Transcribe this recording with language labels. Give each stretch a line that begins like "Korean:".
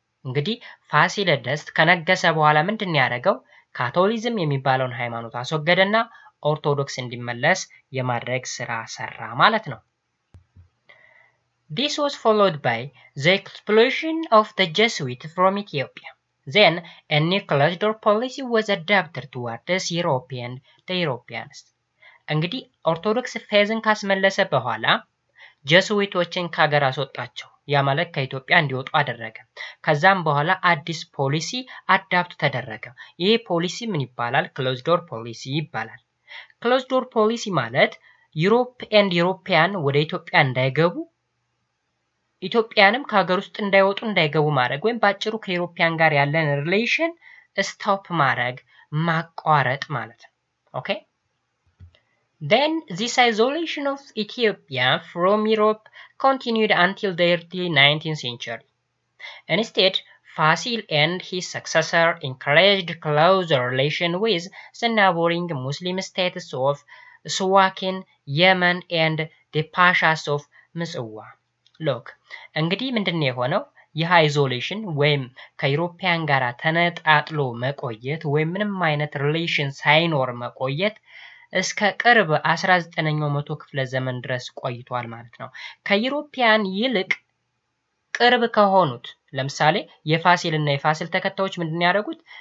Amharic: እንግዲህ ፋሲለደስ ከነገሰ በኋላ ምንድን ያደረገው? ካቶሊዝም የሚባለውን ሃይማኖት አስወገደና ኦርቶዶክስ እንዲመለስ የማድረግ ስራ ሰራ ማለት ነው።
English: This was followed by the expulsion of the Jesuits from Ethiopia. Then a new closure policy was adapted towards the Europeans.
Amharic: እንግዲህ ኦርቶዶክስ ፌዝን ካስመለሰ በኋላ ጀስዊቶችን ከሀገር አስወጣቸው። ያ ማለት ከኢትዮጵያ እንዲወጡ አደረገ። ከዛም በኋላ አዲስ ፖሊሲ አዳፕት ተደረገ። ይሄ ፖሊሲ ምን ይባላል? ክሎዝ ዶር ፖሊሲ ይባላል። ክሎዝ ዶር ፖሊሲ ማለት ዩሮፕ ኤንድ ዩሮፒያን ወደ ኢትዮጵያ እንዳይገቡ፣ ኢትዮጵያንም ከሀገር ውስጥ እንዳይወጡ እንዳይገቡ ማድረግ ወይም ባጭሩ ከዩሮፒያን ጋር ያለን ሪሌሽን ስቶፕ ማድረግ ማቋረጥ ማለት ነው። ኦኬ?
English: Then this isolation of Ethiopia from Europe continued until the early 19th century. Instead, Fasil and his successor encouraged closer relation with the neighboring Muslim states of Suakin, Yemen, and the Pashas of Mizwa.
Amharic: Look, እንግዲህ ምንድን የሆነው? ይህ አይዞሌሽን ወይም ከአውሮፓውያን ጋር ተነጣጥሎ መቆየት ወይም ምንም አይነት ሪሌሽን ሳይኖር መቆየት እስከ ቅርብ 19ኛው መቶ ክፍለ ዘመን ድረስ ቆይቷል ማለት ነው። ከአውሮፓውያን ይልቅ ቅርብ ከሆኑት ለምሳሌ የፋሲልና የፋሲል ተከታዮች ምንድን ያደርጉት?